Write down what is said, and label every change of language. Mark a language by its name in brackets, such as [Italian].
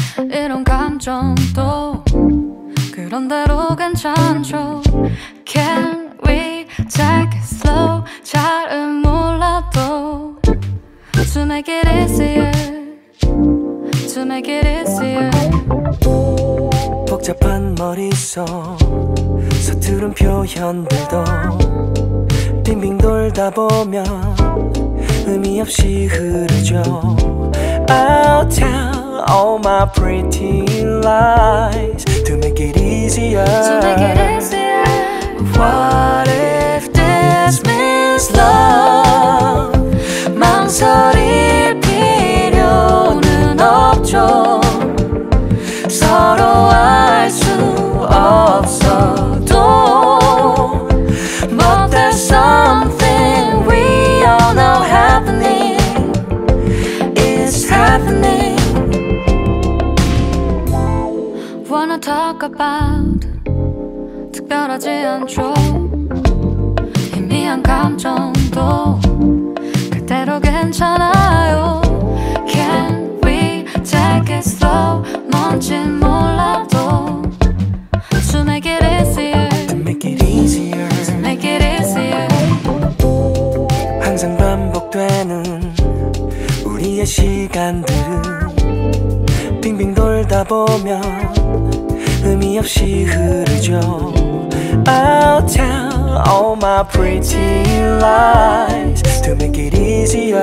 [Korean] 이런 감정도 그런대로 괜찮죠. [English] Can we take it slow? [Korean] 잘은 몰라도 [English] To make it easier To make it easier. [Korean] 복잡한 머릿속 서투른 표현들도 빙빙 돌다 보면 의미 없이 흐르죠. [English] I'll tell all my pretty lies to make it easier. To make it easier. What if this means love? [Korean] 망설일 필요는 없죠. 서로 알 수 없어도. [English] But there's something we all know happening. Happening. Wanna talk about [Korean] 특별하지 않죠. 희미한 감정도 그대로 괜찮아요. [English] Can we take it slow? [Korean] 뭔지 몰라도 [English] To make it easier To make it easier To make it easier. [Korean] 항상 반복되는 우리의 시간들은 빙빙 돌다 보면 의미 없이 흐르죠. [English] I'll tell all my pretty lies to make it easier.